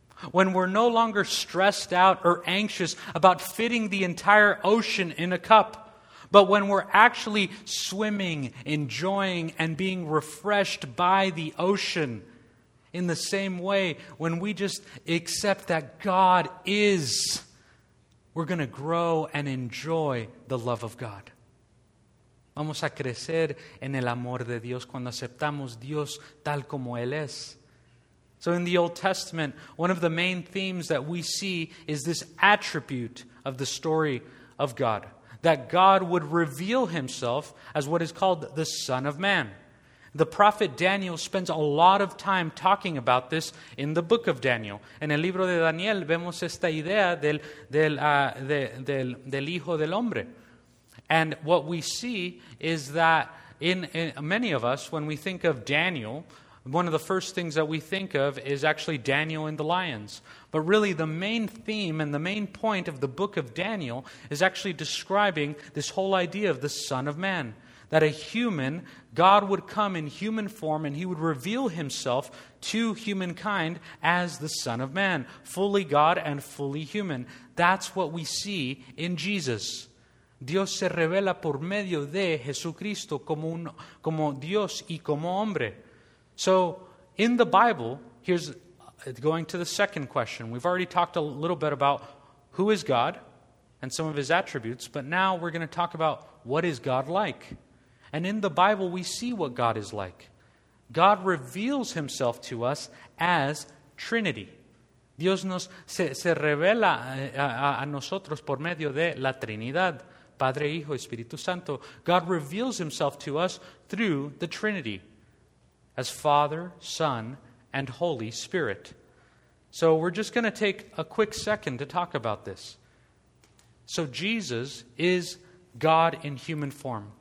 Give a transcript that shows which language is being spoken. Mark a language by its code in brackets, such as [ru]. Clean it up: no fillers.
[en] When we're no longer stressed out or anxious about fitting the entire ocean in a cup, but when we're actually swimming, enjoying, and being refreshed by the ocean in the same way, when we just accept that God is, we're going to grow and enjoy the love of God. [es] Vamos a crecer en el amor de Dios cuando aceptamos Dios tal como Él es. [en] So in the Old Testament, one of the main themes that we see is this attribute of the story of God. That God would reveal himself as what is called the Son of Man. The prophet Daniel spends a lot of time talking about this in the book of Daniel. [es] En el libro de Daniel vemos esta idea del Hijo del Hombre. [en] And what we see is that in many of us, when we think of Daniel, one of the first things that we think of is actually Daniel and the lions. But really the main theme and the main point of the book of Daniel is actually describing this whole idea of the Son of Man. That a human, God would come in human form and he would reveal himself to humankind as the Son of Man. Fully God and fully human. That's what we see in Jesus. [es] Dios se revela por medio de Jesucristo como Dios y como hombre. [en] So, in the Bible, here's going to the second question. We've already talked a little bit about who is God and some of his attributes, but now we're going to talk about what is God like. And in the Bible, we see what God is like. God reveals himself to us as Trinity. [es] Dios nos se revela a nosotros por medio de la Trinidad, Padre, Hijo, Espíritu Santo. [en] God reveals himself to us through the Trinity. As Father, Son, and Holy Spirit. So we're just going to take a quick second to talk about this. So Jesus is God in human form.